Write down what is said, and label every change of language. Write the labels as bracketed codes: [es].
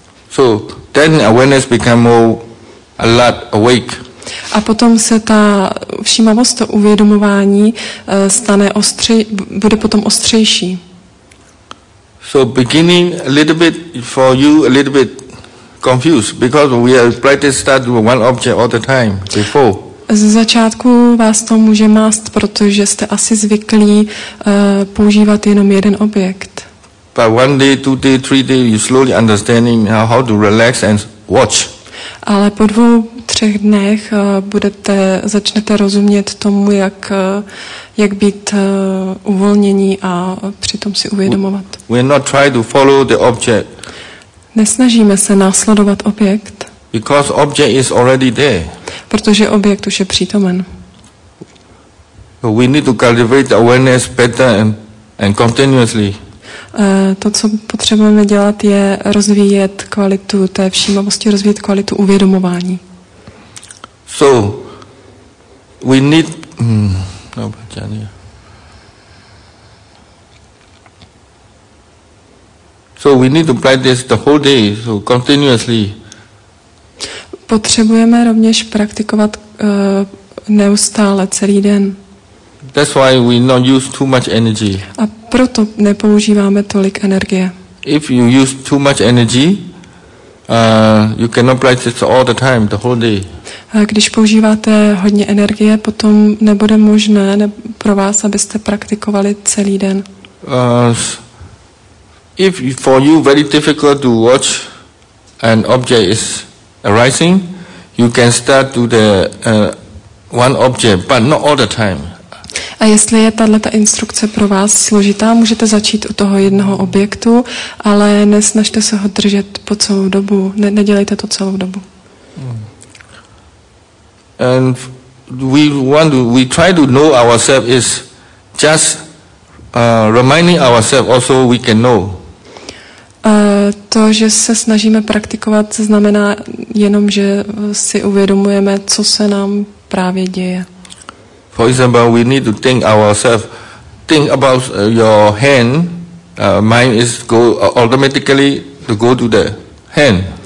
[en] So then awareness become a lot awake. [cs] A potom se ta všímavost, to uvědomování stane bude potom ostřejší. [en] So beginning a little bit for you a little bit confused because we are practice start with one object all the time before. [cs] Z začátku vás to může mást, protože jste asi zvyklí používat jenom jeden objekt. [en] But one day, two day, three day, you slowly understanding how to relax and watch. [cs] Ale po dvou, třech dnech začnete rozumět tomu, jak být uvolnění a přitom si uvědomovat. [en] We're not trying to follow the object. [cs] Nesnažíme se následovat objekt. [en] Because object is already there. [cs] Protože objekt už je přítomen. [en] We need to cultivate awareness better and continuously. [cs] To, co potřebujeme dělat, je rozvíjet kvalitu té všímavosti, rozvíjet kvalitu uvědomování. [en] So, we need... No, so we need to practice the whole day, so continuously. [cs] Potřebujeme rovněž praktikovat neustále celý den. [en] That's why we not use too much energy. [cs] A proto nepoužíváme tolik energie. [en] If you use too much energy, you cannot practice all the time, the whole day. [cs] A když používáte hodně energie, potom nebude možné pro vás, abyste praktikovali celý den. [en] If for you very difficult to watch an object is arising, you can start to the one object, but not all the time. [cs] A jestli je tato instrukce pro vás složitá, můžete začít u toho jednoho objektu, ale nesnažte se ho držet po celou dobu, nedělejte to celou dobu. [en] And we want to, we try to know ourselves is just reminding ourselves also we can know. [cs] To, že se snažíme praktikovat, znamená jenom, že si uvědomujeme, co se nám právě děje. [en] For example, we need to think ourselves, think about your hand, mine is go automatically to go to the hand.